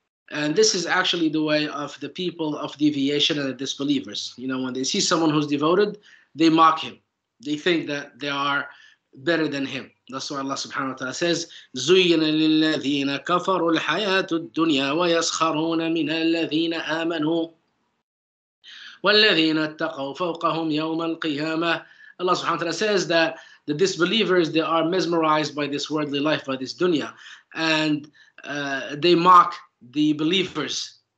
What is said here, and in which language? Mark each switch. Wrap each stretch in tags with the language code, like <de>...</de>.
<en>And this is actually the way of the people of deviation and the disbelievers. You know, when they see someone who's devoted, they mock him. They think that they are better than him. That's why Allah subhanahu wa ta'ala says,</en> <ar>زُيِّنَ لِلَّذِينَ كَفَرُوا الْحَيَاةُ الدُّنْيَا وَيَسْخَرُونَ مِنَ الَّذِينَ آمَنُوا وَالَّذِينَ اتَّقَوْا فَوْقَهُمْ يَوْمَ الْقِيَامَةِ.</ar> <en>Allah subhanahu wa ta'ala says that the disbelievers, they are mesmerized by this worldly life, by this dunya. And they mock the believers.</en>